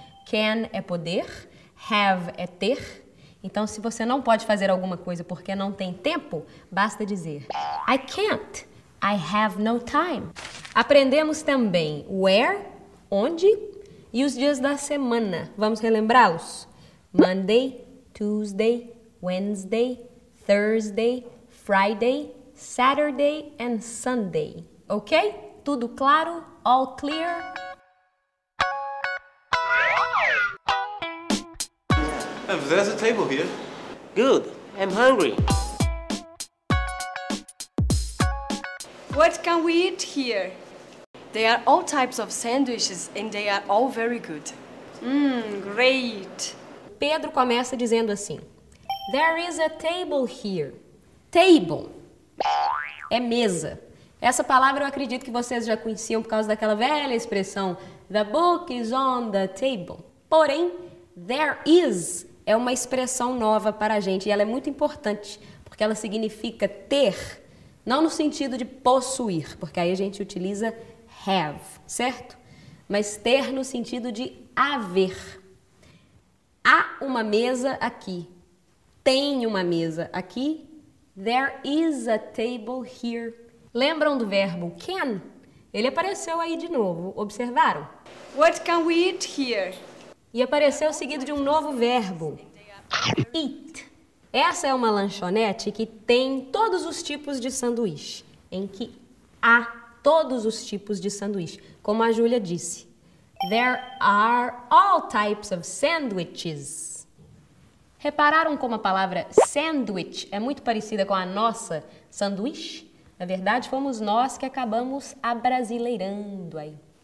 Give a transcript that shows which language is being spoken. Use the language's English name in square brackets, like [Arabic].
[Portuguese] Can é poder, have é ter. Então, se você não pode fazer alguma coisa porque não tem tempo, basta dizer [English] I can't, I have no time. [Portuguese] Aprendemos também where, onde e os dias da semana. Vamos relembrá-los? [English] Monday, Tuesday, Wednesday, Thursday, Friday, Saturday and Sunday. [Portuguese] Ok? Tudo claro? [English] All clear? There's a table here. Good. I'm hungry. What can we eat here? There are all types of sandwiches and they are all very good. Great. [Portuguese] Pedro começa dizendo assim. [English] There is a table here. [Portuguese] Table. É mesa. Essa palavra eu acredito que vocês já conheciam por causa daquela velha expressão [English] The book is on the table. [Portuguese] Porém, there is é uma expressão nova para a gente e ela é muito importante porque ela significa ter, não no sentido de possuir, porque aí a gente utiliza have, certo? Mas ter no sentido de haver. Há uma mesa aqui. Tem uma mesa aqui. [English] There is a table here. [Portuguese] Lembram do verbo can? Ele apareceu aí de novo. Observaram? [English] What can we eat here? [Portuguese] E apareceu seguido de um novo verbo. Eat. Essa é uma lanchonete que tem todos os tipos de sanduíche. Em que há todos os tipos de sanduíche. Como a Júlia disse. [English] There are all types of sandwiches. [Portuguese] Repararam como a palavra sandwich é muito parecida com a nossa sanduíche? Na verdade, fomos nós que acabamos abrasileirando aí.